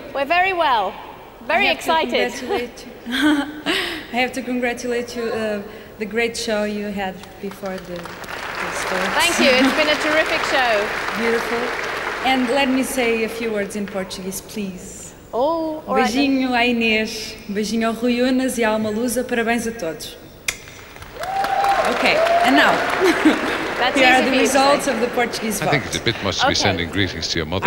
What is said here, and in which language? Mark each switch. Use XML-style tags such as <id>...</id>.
<en>We're very well. Very excited. I have to congratulate you on the great show you had before the start. Thank you. It's been a terrific show. Beautiful. And let me say a few words in Portuguese, please. Oh, all right.</en> <pt>Beijinho a Inês, beijinho ao Rui Unas e à Alma Lusa. Parabéns a todos.</pt> <en>Okay, and now. That's here are the results of the Portuguese vote. I think it's a bit much to be sending greetings to your mother</en>